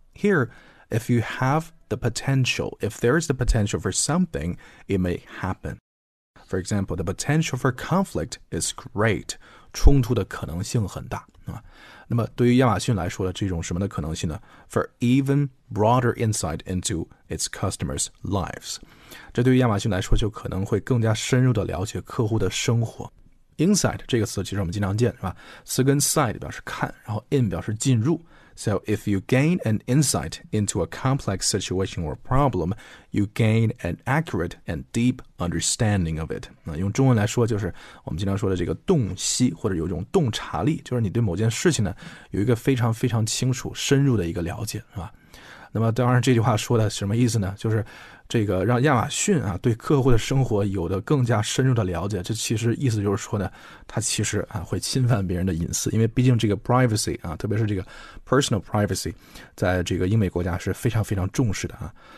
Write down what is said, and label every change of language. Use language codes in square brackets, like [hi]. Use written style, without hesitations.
[en] Here, if you have the potential, if there is the potential for something, it may happen. For example, the potential for conflict is great. [zh] 冲突的可能性很大、那么对于亚马逊来说的这种什么的可能性呢？ [en] For even broader insight into its customers' lives. [zh] 这对于亚马逊来说就可能会更加深入的了解客户的生活。 Insight 这个词其实我们经常见，是吧？词根 side 表示看，然后 in 表示进入。 [en] So if you gain an insight into a complex situation or problem, you gain an accurate and deep understanding of it. [zh] 用中文来说就是我们经常说的这个洞悉，或者有一种洞察力，就是你对某件事情呢有一个非常非常清楚深入的一个了解，是吧？那么当然这句话说的什么意思呢？就是这个让亚马逊啊对客户的生活有的更加深入的了解，这其实意思就是说呢，他其实啊会侵犯别人的隐私，因为毕竟这个 privacy 啊，特别是这个 personal privacy， 在这个英美国家是非常非常重视的啊。